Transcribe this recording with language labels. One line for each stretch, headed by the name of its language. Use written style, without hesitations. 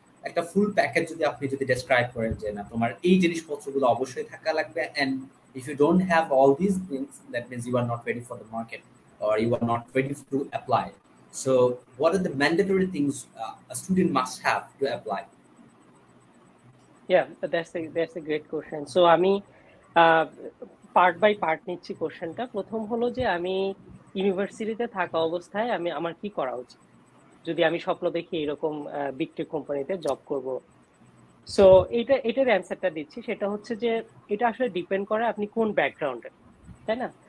Bangla: একটা full package যদি আপনি যদি ডেসক্রাইব করেন যে না তোমার এই জিনিসপত্রগুলো অবশ্যই থাকা লাগবে,
English: And if you don't have all this things that means you are not ready for the market or you are not ready to apply, so what are the mandatory things a student must have to apply? Yeah, that's a great question.
Bangla: So আমি part by part নিচ্ছি কোশ্চেনটা। প্রথম হলো যে আমি ইউনিভার্সিটিতে থাকা অবস্থায় আমি আমার কি করা উচিত যদি আমি স্বপ্ন দেখি এরকম বিগ টেক কোম্পানিতে জব করব। সো এটা এটার অ্যান্সারটা দিচ্ছি, সেটা হচ্ছে যে এটা আসলে ডিপেন্ড করে আপনি কোন ব্যাকগ্রাউন্ডে, তাই না?